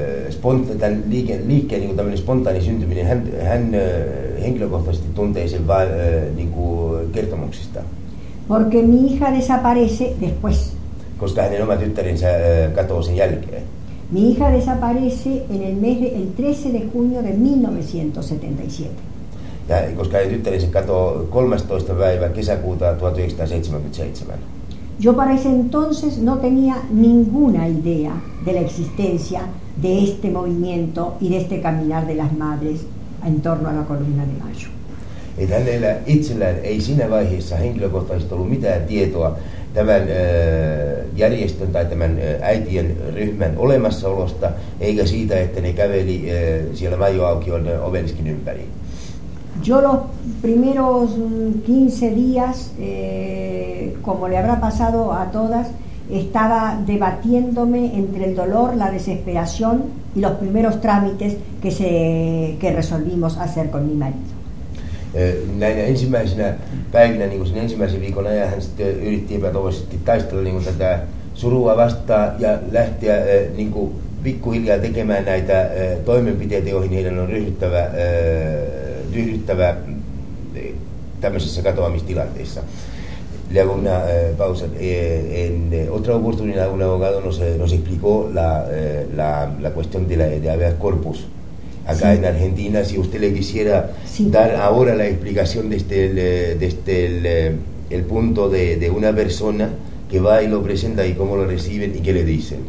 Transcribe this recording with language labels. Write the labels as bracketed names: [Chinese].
[Finnish] Spontaani syntyminen hän henkilökohtaisesti tuntee sen vain niin kuin kertomuksista. [Spanish] Porque mi hija desaparece después. [Finnish] Koska hänen oma tyttärensä katoaa sen jälkeen. [Spanish] Mi hija desaparece en el mes de, el 13 de junio de 1977. [Finnish] Ja, koska tyttärensä katoo 13. päivä kesäkuuta 1977. [Spanish] Yo para ese entonces no tenía ninguna idea de la existencia de este movimiento y de este caminar de las madres en torno a la columna de Mayo. [Finnish] Et hänellä itsellään ei siinä vaiheessa henkilökohtaisesti ollut mitään tietoa tämän järjestön tai tämän äitien ryhmän olemassaolosta, eikä siitä, että ne käveli siellä majoaukion obeliskin ympäri. [Spanish] Yo los primeros 15 días, como le habrá pasado a todas, estaba debatiéndome entre el dolor, la desesperación y los primeros trámites que resolvimos hacer con mi marido. [Finnish] Näin ensimmäisenä päivinä, niin kuin sen ensimmäisen viikon ajan, hän sitten yritti epätoivoisesti taistella niin kuin tätä surua vastaan ja lähteä niin kuin pikkuhiljaa tekemään näitä toimenpiteitä, joihin heidän on ryhdyttävä tämmöisessä katoamistilanteessa. [Spanish] Luego una pausa en otra oportunidad un abogado nos explicó la cuestión de habeas corpus. Acá sí. En Argentina, si usted le quisiera sí. Dar ahora la explicación desde el punto de una persona que va y lo presenta y cómo lo reciben y qué le dicen.